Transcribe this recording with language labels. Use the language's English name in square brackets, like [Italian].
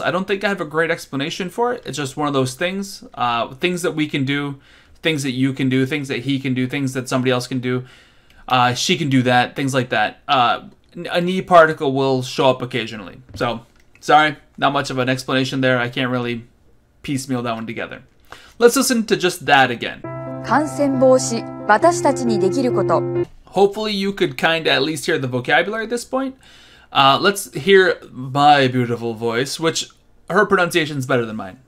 [English] I don't think I have a great explanation for it. It's just one of those things. Things that we can do, things that you can do, things that he can do, things that somebody else can do. She can do that, things like that. A ni particle will show up occasionally. So, sorry, not much of an explanation there. I can't really piecemeal that one together. Let's listen to just that again. [Japanese] 感染防止、私たちにできること. [English] Hopefully you could kind of at least hear the vocabulary at this point. Let's hear my beautiful voice, which her pronunciation is better than mine.